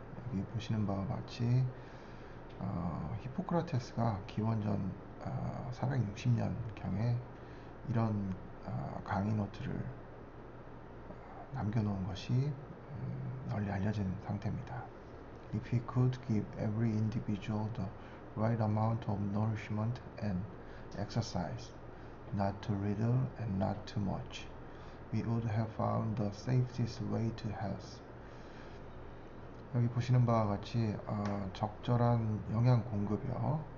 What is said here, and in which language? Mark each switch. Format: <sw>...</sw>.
<ko>여기 보시는 바와 같이 히포크라테스가 기원전 460년경에 이런 강의 노트를 남겨놓은 것이 널리 알려진 상태입니다.</ko> <en>If we could give every individual the right amount of nourishment and exercise, not too little and not too much, we would have found the safest way to health.</en> <ko>여기 보시는 바와 같이 적절한 영양 공급이요.</ko>